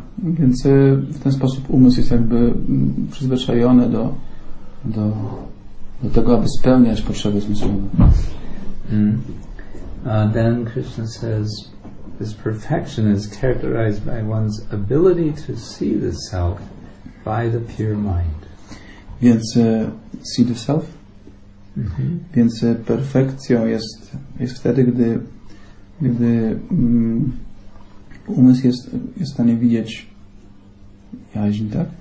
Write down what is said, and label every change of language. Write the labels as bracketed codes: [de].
[pl] Więc w ten sposób umysł jest jakby przyzwyczajony do tego, aby spełniać potrzeby zmysłowe. [en] Then Krishna says this perfection is characterized by one's ability to see the self by the pure mind. Więc see the self. Mm-hmm. [pl] Więc perfekcją jest wtedy, gdy umysł jest w stanie widzieć jaźń, tak?